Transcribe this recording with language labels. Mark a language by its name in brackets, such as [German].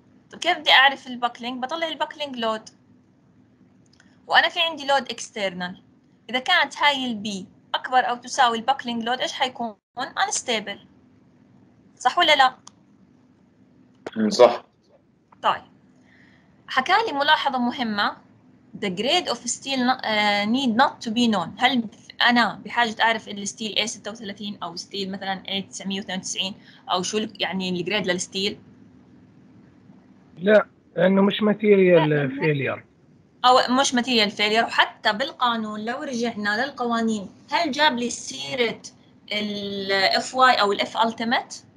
[Arabic] طب كيف بدي اعرف البكلينج؟ بطلع البكلينج لود، وانا في عندي لود اكسترنال. اذا كانت هاي البي اكبر او تساوي البكلينج لود، ايش حيكون؟ انستابل، صح ولا لا؟ صح. طيب حكى لي ملاحظه مهمه، [English] the grade of steel need not to be known. [Arabic] هل انا بحاجه اعرف الستيل A 36 او ستيل مثلا A 992 او شو يعني الجريد للستيل؟ لا، لانه مش ماتيريال فيلير او مش ماتيريال فيلير. وحتى بالقانون لو رجعنا للقوانين، هل جاب لي سيره الاف واي او الاف التيميت؟